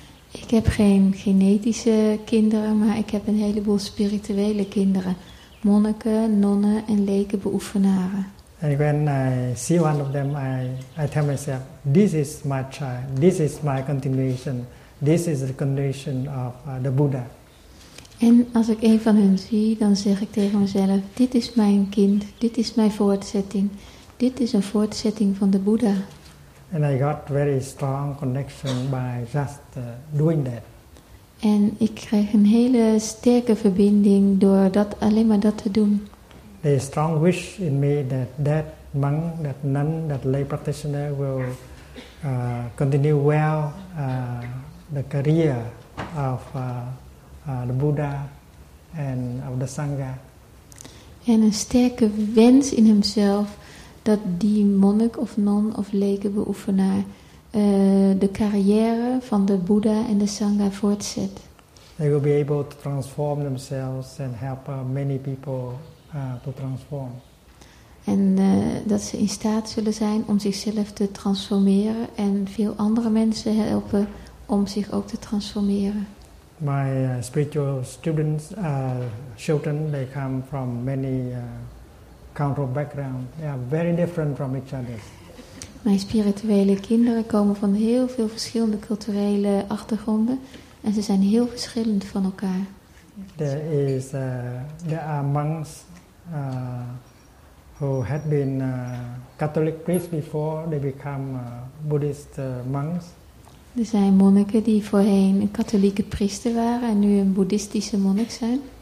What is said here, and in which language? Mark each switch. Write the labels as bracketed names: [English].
[Dutch] Ik heb geen genetische kinderen, maar ik heb een heleboel spirituele kinderen. Monniken, nonnen en leken beoefenaren. [English] And when I see one of them, I tell myself, this is my child, this is my continuation, this is the continuation of the Buddha. [Dutch] En als ik een van hen zie, dan zeg ik tegen mezelf, dit is mijn kind, dit is mijn voortzetting, dit is een voortzetting van de Buddha. [English] And I got very strong connection by just doing that. [Dutch] En ik kreeg een hele sterke verbinding door dat alleen maar dat te doen. [English] The strong wish in me that monk, that nun, that lay practitioner will continue well the career of the Buddha and of the Sangha. [Dutch] En een sterke wens in hemzelf dat die monnik of non of lekenbeoefenaar de carrière van de Boeddha en de Sangha voortzet. [English] They will be able to transform themselves and help many people to transform. [Dutch] En dat ze in staat zullen zijn om zichzelf te transformeren en veel andere mensen helpen om zich ook te transformeren. [English] My spiritual students, children, they come from many cultural background. They are very different from each other. [Dutch] Mijn spirituele kinderen komen van heel veel verschillende culturele achtergronden en ze zijn heel verschillend van elkaar. [English] There are monks who had been Catholic priests before they become Buddhist monks. [Dutch] Er zijn monniken die voorheen een katholieke priester waren en nu een boeddhistische monnik zijn.